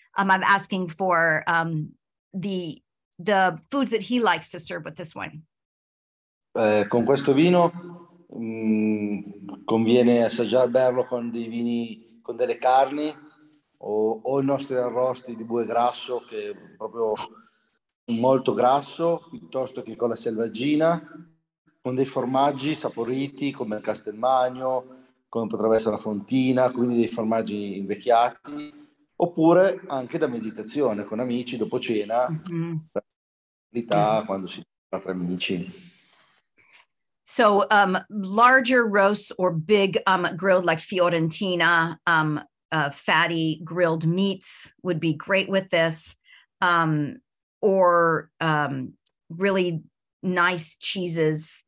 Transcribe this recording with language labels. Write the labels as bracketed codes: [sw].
[en] I'm asking for the foods that he likes to serve with this wine. [it] Con questo vino conviene assaggiare berlo con dei vini, con delle carni. O i nostri arrosti di bue grasso, che è proprio molto grasso, piuttosto che con la selvaggina, con dei formaggi saporiti come il Castelmagno, come potrebbe essere la Fontina, quindi dei formaggi invecchiati, oppure anche da meditazione con amici dopo cena, quando si parla tra amici. [en] So larger roasts or big grilled like Fiorentina, fatty grilled meats would be great with this, or really nice cheeses.